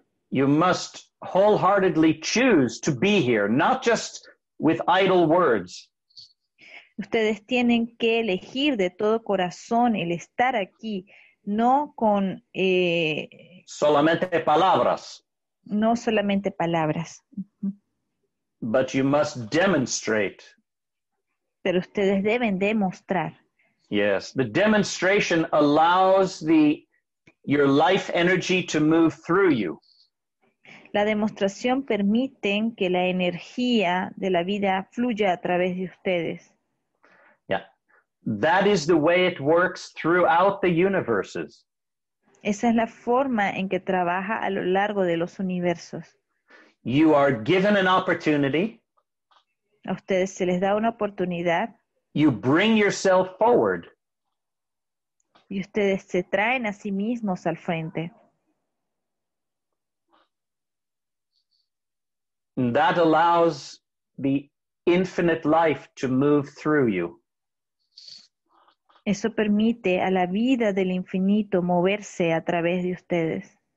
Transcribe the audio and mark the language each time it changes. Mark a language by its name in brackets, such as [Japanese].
[English] You must wholeheartedly choose to be here, not just with idle words. [Spanish] Ustedes tienen que elegir de todo corazón el estar aquí, no con... solamente palabras. No solamente palabras. [English] But you must demonstrate. [Spanish] Pero ustedes deben demostrar. [English] Yes, the demonstration allows your life energy to move through you. [Spanish] La demostración permite que la energía de la vida fluya a través de ustedes. [English] Yeah, that is the way it works throughout the universes. [Spanish] Esa es la forma en que trabaja a lo largo de los universos. [English] You are given an opportunity. [Spanish] A ustedes se les da una oportunidad. [English] You bring yourself forward. [Spanish] Y ustedes se traen a sí mismos al frente. [English] And that allows the infinite life to move through you. [Spanish] Eso permite a la vida del infinito moverse a través de ustedes.